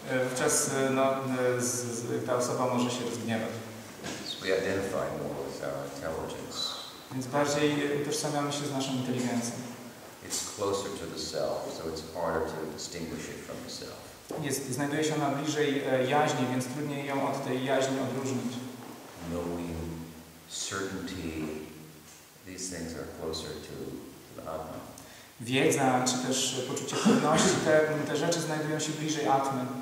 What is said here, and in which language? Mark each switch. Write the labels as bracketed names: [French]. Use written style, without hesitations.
[Polish] Wówczas no, ta osoba może się rozgniewać. [English] So we identify more with our intelligence. [Polish] Więc bardziej utożsamiamy się z naszą inteligencją. [English] It's closer to the self, so it's harder to distinguish it from the self. [Polish] Jest, znajduje się ona bliżej jaźni, więc trudniej ją od tej jaźni odróżnić. [English] Knowing certainty, these things are closer to the Atman. [Polish] Wiedza, czy też poczucie pewności, te rzeczy znajdują się bliżej Atmy.